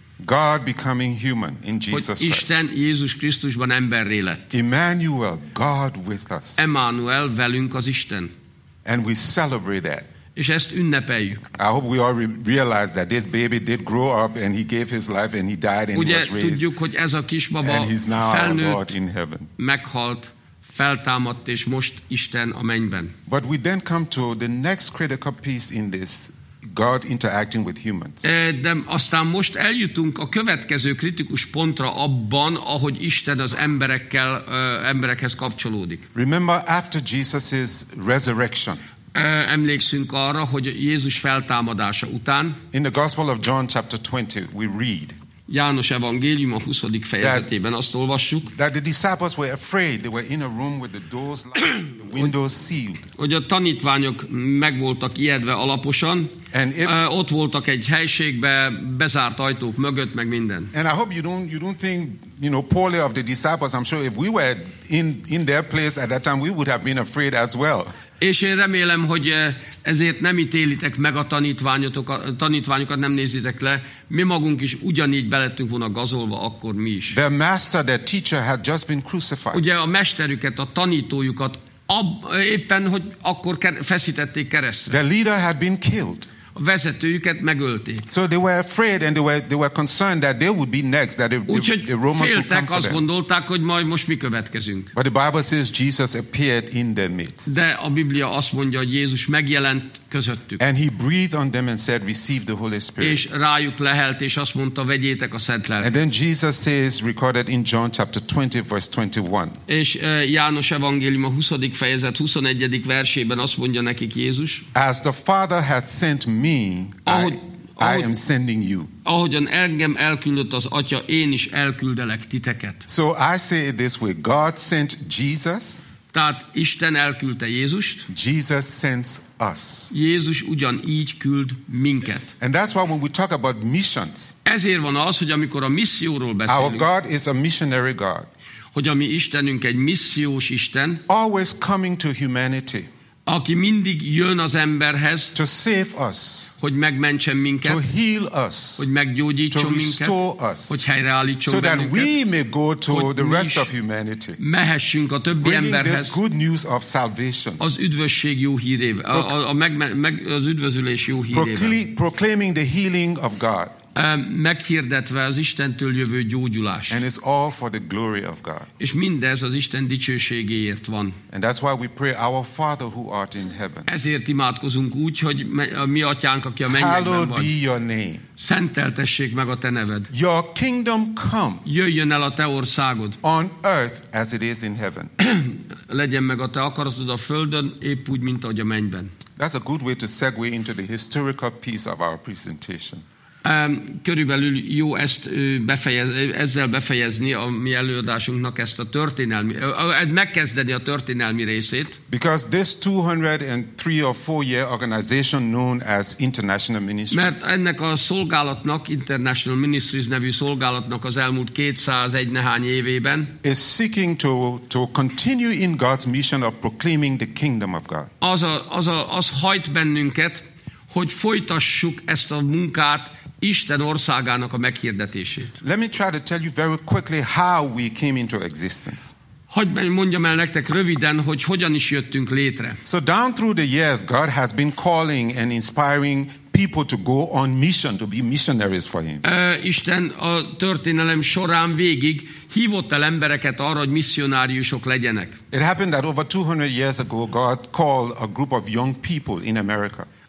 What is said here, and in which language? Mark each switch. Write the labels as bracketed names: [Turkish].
[English] God becoming human in Jesus Christ. [Hungarian] Isten Jézus Krisztusban emberré lett. [English] Emmanuel, God with us. [Hungarian] Emmanuel, velünk az Isten. [English] And we celebrate that. [Hungarian] És ezt ünnepeljük. [English] I hope we all realize that this baby did grow up and he gave his life and he died and [Hungarian] ugye, [English] was raised. [Hungarian] Ugye tudjuk, hogy ez a kisbaba felnőtt, meghalt, feltámadt és most Isten a mennyben. [English] But we then come to the next critical piece in this. God interacting with humans. [Hungarian] De aztán most eljutunk a következő kritikus pontra abban, ahogy Isten az emberekkel, emberekhez kapcsolódik. [English] Remember after Jesus's resurrection. [Hungarian] Emlékszünk arra, hogy Jézus feltámadása után. [English] In the Gospel of John chapter 20 we read. [Hungarian] János evangélium a 20. fejezetében azt olvassuk. [English] That the disciples were afraid. They were in a room with the doors locked, the windows sealed. [Hungarian] Hogy a tanítványok megvoltak ijedve alaposan. [English] And if, [Hungarian] ott voltak egy helységbe, bezárt ajtók mögött, meg minden. [English] And I hope you don't think, you know, poorly of the disciples. I'm sure if we were in their place at that time, we would have been afraid as well. [Hungarian] És én remélem, hogy ezért nem ítélitek meg a tanítványokat, nem nézitek le. Mi magunk is ugyanígy belettünk volna gazolva, akkor mi is. [English] The master, the teacher had just been crucified. [Hungarian] Ugye a mesterüket, a tanítójukat éppen, hogy akkor feszítették keresztre. [English] The leader had been killed. [Hungarian] A vezetőjüket megölték. [English] So they were afraid and they were concerned that they would be next, that the Romans would come for them. [Hungarian] Azt gondolták, hogy majd most mi következünk. [English] But the Bible says Jesus appeared in their midst. [Hungarian] De a Biblia azt mondja, hogy Jézus megjelent közöttük. [English] And he breathed on them and said, "Receive the Holy Spirit." [Hungarian] És rájuk lehelt és azt mondta, vegyétek a Szent Lelket. [English] And then Jesus says, recorded in John chapter 20 verse 21. [Hungarian] És János evangélium a 20. fejezet 21. versében azt mondja nekik Jézus. [English] As the Father hath sent me, I am sending you. [Hungarian] Ahogyan engem elküldött az Atya, én is elküldelek titeket. [English] So I say it this way, God sent Jesus. [Hungarian] Tehát Isten elküldte Jézust. [English] Jesus sends us. [Hungarian] Jézus ugyan így küld minket. [English] And that's why when we talk about missions. [Hungarian] Ezért van az, hogy amikor a misszióról beszélünk. [English] Our God is a missionary God. [Hungarian] Hogy a mi Istenünk egy missziós Isten. [English] Always coming to humanity. [Hungarian] Aki mindig jön az emberhez, [English] to save us, [Hungarian] hogy megmentsen minket, [English] to heal us, [Hungarian] hogy meggyógyítson minket, [English] us, [Hungarian] hogy helyreállítson [English] so [Hungarian] bennünket, [English] that we may go to the rest of humanity, [Hungarian] mehessünk a többi emberhez, [English] this good news of salvation, [Hungarian] az üdvösség jó hírével, az üdvözülés jó hírével, [English] proclaiming the healing of God, [Hungarian] meghirdetve az Istentől jövő gyógyulást. [English] And it's all for the glory of God. [Hungarian] És mindez az Isten dicsőségéért van. [English] And that's why we pray, our Father who art in heaven. [Hungarian] Ezért imádkozunk úgy, hogy mi atyánk, aki a mennyekben [English] hallowed [Hungarian] van. [English] Hallowed be your name. [Hungarian] Szenteltessék meg a te neved. [English] Your kingdom come. [Hungarian] Jöjjön el a te országod. [English] On earth as it is in heaven. [Hungarian] Legyen meg a te akaratod a földön, épp úgy, mint ahogy a mennyben. [English] That's a good way to segue into the historical piece of our presentation. [Hungarian] Körülbelül jó ezt ezzel befejezni a mi előadásunknak ezt a történelmi, megkezdeni a történelmi részét. [English] Because this 203 or 4 year organization known as International Ministries. [Hungarian] Mert ennek a szolgálatnak, International Ministries nevű szolgálatnak az elmúlt 201 néhány évében [English] is seeking to continue in God's mission of proclaiming the kingdom of God. [Hungarian] Az hajt bennünket, hogy folytassuk ezt a munkát, Isten országának a meghirdetését. [English] Let me try to tell you very quickly how we came into existence. [Hungarian] Hogy mondjam el nektek röviden, hogy hogyan is jöttünk létre. [English] So down through the years, God has been calling and inspiring people to go on mission, to be missionaries for him. [Hungarian] Isten a történelem során végig hívott el embereket arra, hogy misszionáriusok legyenek. [English] It happened that over 200 years ago, God called a group of young people in America.